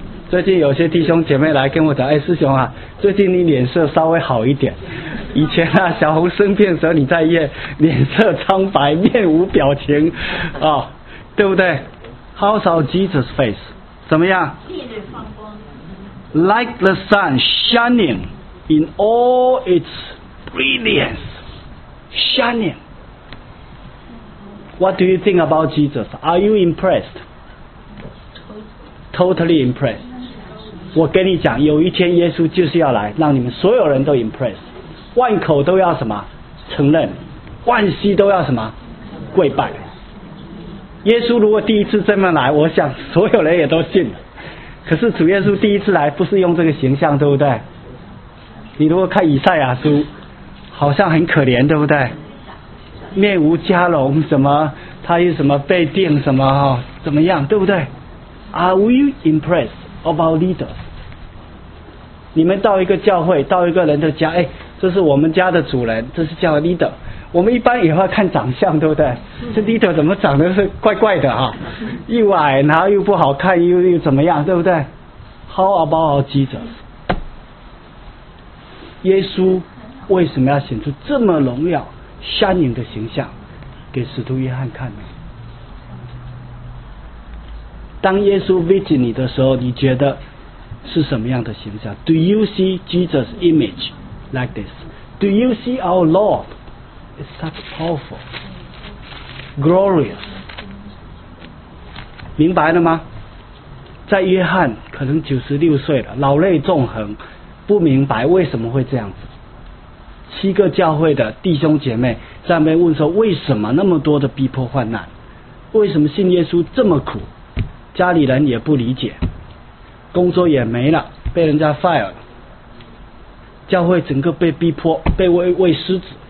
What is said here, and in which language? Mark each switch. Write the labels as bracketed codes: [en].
[zh] 最近有些弟兄姐妹来跟我讲，哎，师兄啊，最近你脸色稍微好一点。以前啊，小红生病的时候你在医院，脸色苍白，面无表情，啊、哦，对不对？ [en] How saw Jesus' face？ [zh] 怎么样？烈日放光。 [en] Like the sun shining in all its brilliance, shining. What do you think about Jesus? Are you impressed? Totally impressed. [zh] 我跟你讲，有一天耶稣就是要来，让你们所有人都 impressed， 万口都要什么承认，万膝都要什么跪拜。耶稣如果第一次这么来，我想所有人也都信了。可是主耶稣第一次来不是用这个形象，对不对？你如果看以赛亚书好像很可怜，对不对？面无家容，什么他又什么被定什么、哦、怎么样，对不对？ [en] Are we impressed of our leaders？ [zh] 你们到一个教会，到一个人的家，哎，这是我们家的主人，这是叫 leader。我们一般也会看长相，对不对？这 leader 怎么长得是怪怪的哈、啊？又矮，然后又不好看，又怎么样，对不对 ？ [en] How about our Jesus？ [zh] 耶稣为什么要显出这么荣耀、相应的形象给使徒约翰看呢？当耶稣 visit 你的时候，你觉得是什么样的形象 ？ [en] Do you see Jesus' image like this？ Do you see our Lord？ It's such powerful, glorious. [zh] 明白了吗？在约翰可能96岁了，老泪纵横，不明白为什么会这样子。七个教会的弟兄姐妹在那边问说，为什么那么多的逼迫患难？为什么信耶稣这么苦？家里人也不理解，工作也没了，被人家 fire 了，教会整个被逼迫，被喂狮子。